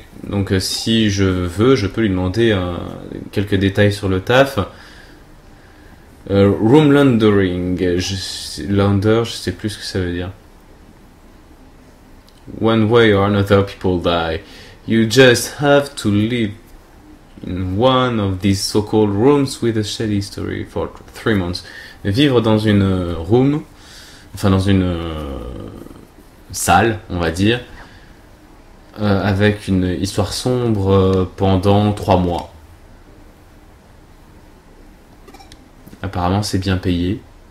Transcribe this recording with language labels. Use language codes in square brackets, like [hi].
[fr] Donc, si je veux, je peux lui demander quelques détails sur le taf. Room laundering, je sais plus ce que ça veut dire. [en] One way or another, people die. You just have to live in one of these so-called rooms with a shady story for 3 months. [fr] Vivre dans une room, enfin dans une salle, on va dire, avec une histoire sombre pendant 3 mois. Apparemment, c'est bien payé.